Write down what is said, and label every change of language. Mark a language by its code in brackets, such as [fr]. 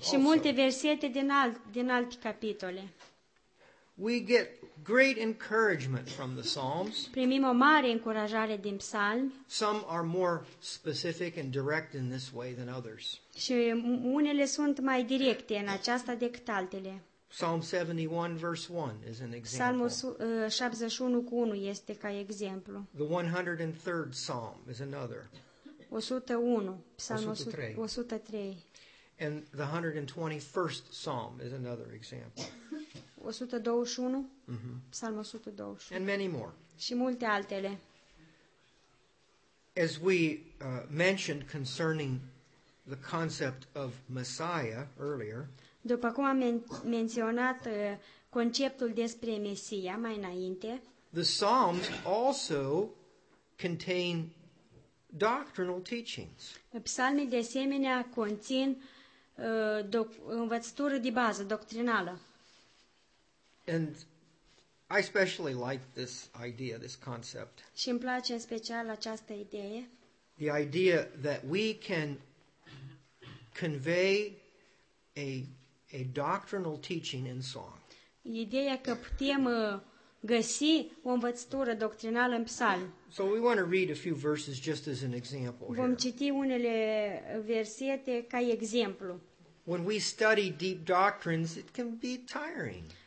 [ro] Și multe versete din alte capitole. [en] We get great encouragement from the Psalms. [ro] Primim o mare încurajare din psalmi. [en] Some are more specific and direct in this way than others. [ro] Și unele sunt mai directe în aceasta decât altele. [en] Psalm 71 verse 1 is an example. [ro] Psalmul 71:1 este ca exemplu. [en] The 103rd Psalm is another. [ro] 101. Psalmul 103. [en] And the 121st Psalm is another example. [ro] 121, Psalmul 121. [en] And many more. [ro] Și multe altele. [en] As we mentioned concerning the concept of Messiah earlier. [ro] După cum am menționat conceptul despre Mesia mai înainte. [en] The Psalms also contain doctrinal teachings. [ro] Psalmii de asemenea conțin învățătură de bază doctrinală. [en] And I especially like this idea, this concept. [ro] Și îmi place în special această idee. [en] The idea that we can convey a doctrinal teaching in song. [ro] Ideea că putem găsi o învățătură doctrinală în psalm. [en] So we want to read a few verses just as an example. [ro] Vom citi unele versete ca exemplu. [en] When we study deep doctrines, it can be tiring.